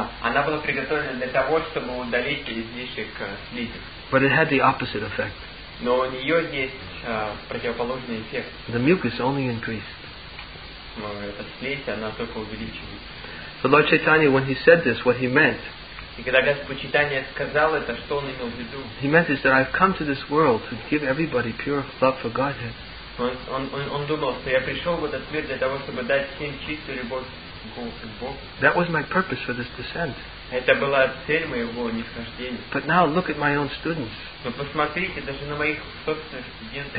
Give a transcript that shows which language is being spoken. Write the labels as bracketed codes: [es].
[ru] Она была приготовлена для того, чтобы удалить излишек слизи. [en] But it had the opposite effect. [ru] Но у нее есть противоположный эффект. [en] The mucus only increased. [ru] Эта слизь, она только увеличилась. [en] So Lord Chaitanya, when he said this, what he meant? [ru] И когда Господь Чайтанья сказал это, что он имел в виду? [en] He meant is that I've come to this world to give everybody pure love for Godhead. [ru] Он думал, что я пришел в этот мир для того, чтобы дать всем чистую любовь. [en] That was my purpose for this descent. [ru] Это была цель моего нисхождения. [en] But now look at my own students. [ru] Но посмотрите даже на моих собственных студентов.